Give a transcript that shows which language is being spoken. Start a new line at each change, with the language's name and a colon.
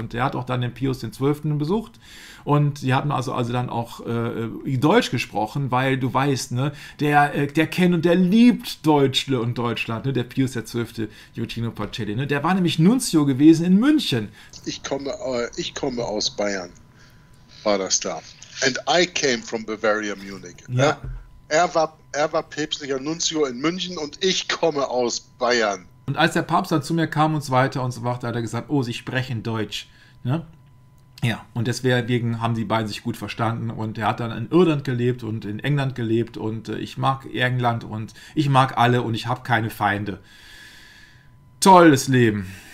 German: Und er hat auch dann den Pius XII. Besucht. Und die hatten also dann auch Deutsch gesprochen, weil du weißt, ne, der kennt und der liebt Deutschle und Deutschland, ne, der Pius XII, Juttino Pacelli. Ne, der war nämlich Nunzio gewesen in München. Ich komme aus Bayern, war das da.
English: And I came from Bavaria, Munich.
German: Ja. Er war päpstlicher Nunzio in München und ich komme aus Bayern. Und als der Papst dann zu mir kam und so weiter und so weiter, hat er gesagt, oh, sie sprechen Deutsch. Ja, ja. Und deswegen haben die beiden sich gut verstanden. Und er hat dann in Irland gelebt und in England gelebt. Und ich mag England und ich mag alle und ich habe keine Feinde. Tolles Leben.